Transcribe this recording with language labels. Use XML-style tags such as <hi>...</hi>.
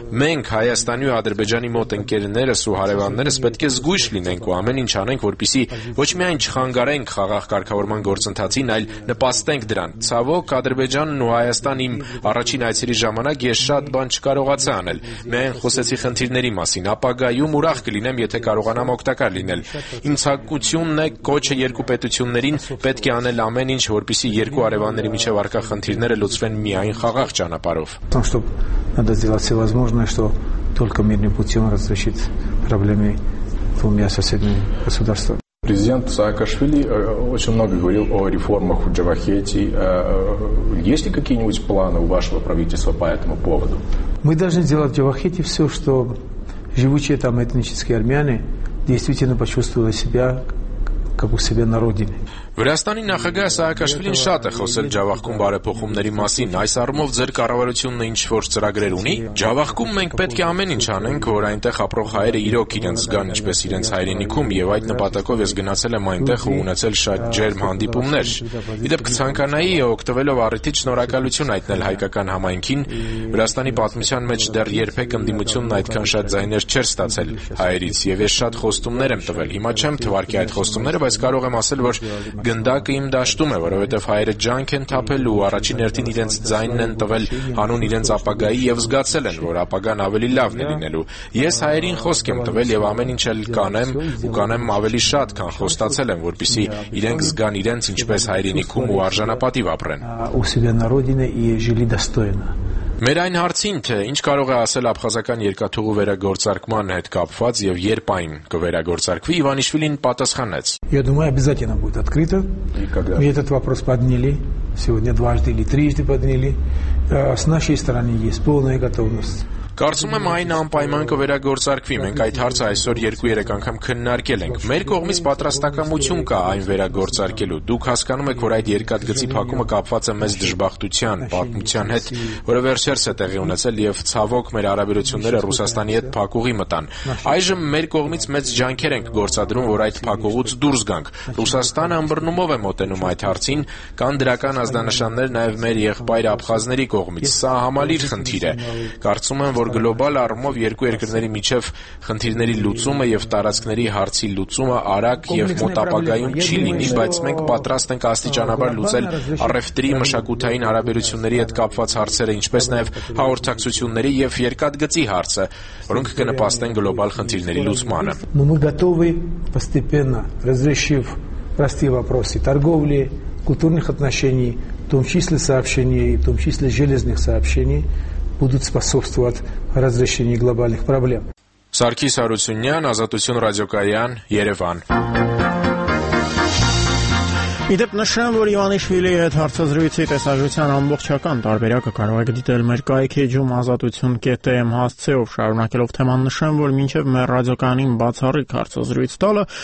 <hy>Մենք Հայաստանի ու Ադրբեջանի մոտ ընկերներս ու հարևաններս պետք է զգույշ լինենք ու ամեն ինչ անենք, որպեսզի ոչ միայն չխանգարենք խաղաղ կարգավորման գործընթացին, այլ նպաստենք դրան։ Ցավոք, Ադրբեջանն ու Հայաստանն իմ առաջին այցերի ժամանակ ես շատ բան չկարողացա անել։ Միայն խոսեցի խնդիրների մասին, ապագայում ուրախ կլինեմ, եթե կարողանամ օգտակար լինել։ Ինցակությունն է կոչը երկու պետություններին, պետք է անել ամեն ինչ, որպեսզի երկու հարևանների միջև արկա խնդիրները լուծվեն միայն խաղաղ ճանապարհով։</hy> <ru>Надо сделать все возможное, что только мирным путем разрешить проблемы двумя соседними государствами. Президент Саакашвили очень много говорил о реформах в Джавахете. Есть ли какие-нибудь планы у вашего правительства по этому поводу? Мы должны делать в Джавахете все, что живущие там этнические армяне действительно почувствовали себя как у себя на родине.</ru> <hy>Վրաստանի նախագահ Սահակաշվիլին շատ է խոսել Ջավախքում բարեփոխումների մասին։ Այս առումով ձեր կառավարությունն ինչ-որ ծրագրեր ունի։ Ջավախքում մենք պետք է ամեն ինչ անենք, որ այնտեղ ապրող հայերը իրոք իրենց զգան ինչպես իրենց հայրենիքում, եւ այդ նպատակով ես գնացել եմ այնտեղ ու ունեցել շատ ջերմ հանդիպումներ։ Իդեպ կցանկանայի օգտվելով առիթից շնորհակալություն հայտնել հայկական համայնքին։ Վրաստանի պատմության մեջ դեռ երբեք ընդդիմությունն այդքան շատ ձայներ չէր ստացել հայերից, եւ ես շատ խոստումներ եմ տվել։ Հիմա չեմ թվարկի այդ խոստումները, բայց կարող եմ ասել, որ գնդակը իմ դաշտում է, որովհետև հայերը ջանք են թափել ու առաջին հերթին իրենց ձայնն են տվել հանուն իրենց ապագայի եւ զգացել են, որ ապագան ավելի լավն է լինելու։ Ես հայերին խոսք եմ տվել եւ ամեն ինչ էլ կանեմ ու կանեմ ավելի շատ, քան խոստացել եմ, որպեսզի իրենք զգան իրենց ինչպես հայրենիքում ու արժանապատիվ ապրեն։ Մեր այն հարցին, թե ինչ կարող է ասել աբխազական երկաթուղու վերագործարկման հետ կապված եւ երբ այն կվերագործարկվի, Իվանիշվիլին պատասխանեց.</hy> <ru>Я думаю, обязательно будет открыто. Мы этот вопрос подняли сегодня дважды или трижды подняли. С нашей стороны есть полная готовность.</ru> <hy>Կարծում եմ այն անպայման կվերագործարկվի։ Մենք այդ հարցը այսօր 2-3 անգամ քննարկել ենք։ Մեր կողմից պատրաստակամություն կա այն վերագործարկելու։ Դուք հասկանում եք, որ այդ երկաթգծի փակումը կապված է մեծ դժբախտության, պատմության հետ, որը վերջերս է տեղի ունեցել, եւ ցավոք մեր հարաբերությունները Ռուսաստանի հետ փակուղի մտան։ Այժմ մեր կողմից մեծ ջանքեր ենք գործադրում, որ այդ փակուղից դուրս գանք։ Ռուսաստանը ըմբռնումով է մոտենում այդ հարցին, կան դրական ազդանշաններ նաեւ մեր եղբայր աբխազների կողմից։ Սա համալիր խնդիր է։ Կարծում եմ, որ գլոբալ առումով երկու երկրների միջև խնդիրների լուծումը եւ տարածքների հարցի լուծումը արագ եւ մտապակայում չի լինի, բայց մենք պատրաստ ենք աստիճանաբար լուծել առևտրի, մշակութային հարաբերությունների հետ կապված հարցերը, ինչպես նաեւ հաղորդակցությունների եւ երկաթգծի հարցը, որոնք կնպաստեն գլոբալ խնդիրների լուծմանը։</hy> <ru>Мы готовы постепенно разрешив простые вопросы торговли, культурных отношений, в том числе сообщений, в том числе железных сообщений будут способствовать разрешению глобальных проблем.</ru> <hy>Սարգիս Հարությունյան, Ազատություն ռադիոկայան, Երևան։ Իդեպ նշեմ, որ Իվանիշվիլի հետ հարցազրույցի տեսաժության ամբողջական տարբերակը կարող եք դիտել մեր կայքի էջում ազատություն.am հասցեով, շարունակելով թեման նշեմ, որ մինչև մեր ռադիոկայանին բացառիկ հարցազրույց տալը,</hy>